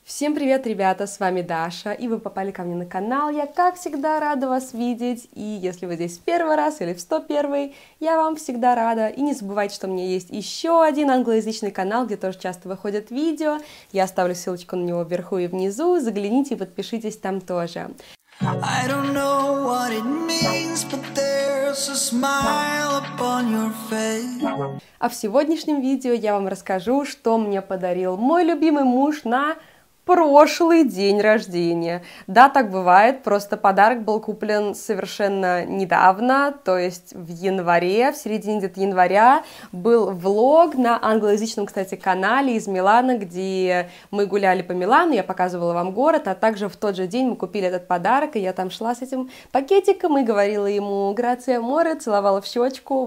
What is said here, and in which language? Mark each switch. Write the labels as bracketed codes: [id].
[ru] Всем привет, ребята, с вами Даша, и вы попали ко мне на канал. Я, как всегда, рада вас видеть, и если вы здесь в первый раз или в 101-й, я вам всегда рада. И не забывайте, что у меня есть еще один англоязычный канал, где тоже часто выходят видео. Я оставлю ссылочку на него вверху и внизу, загляните и подпишитесь там тоже. [en] I don't know what it means, but there's a smile upon your face. [ru] А в сегодняшнем видео я вам расскажу, что мне подарил мой любимый муж на прошлый день рождения. Да, так бывает, просто подарок был куплен совершенно недавно, то есть в январе, в середине где-то января, был влог на англоязычном, кстати, канале из Милана, где мы гуляли по Милану, я показывала вам город, а также в тот же день мы купили этот подарок, и я там шла с этим пакетиком и говорила ему [it] «Грация море», [ru] целовала в щечку.